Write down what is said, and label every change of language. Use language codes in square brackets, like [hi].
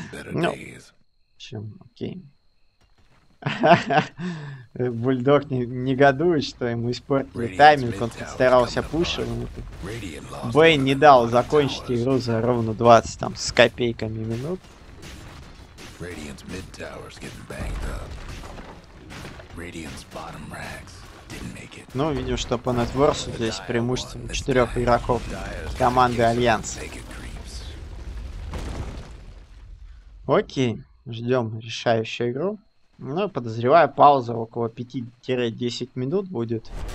[ru] Ну, в общем, окей. Бульдог негодует, что ему испортили тайминг, он старался пушить. Бэйн не дал закончить игру за ровно 20 там с копейками минут. [en] Radiant's mid tower's getting banged up. Radiant's bottom racks didn't make it. [ru] Ну, видим, что по нетворсу здесь преимущество четырех игроков команды Альянс. Окей, ждем решающую игру. Ну, подозреваю, пауза около 5-10 минут будет.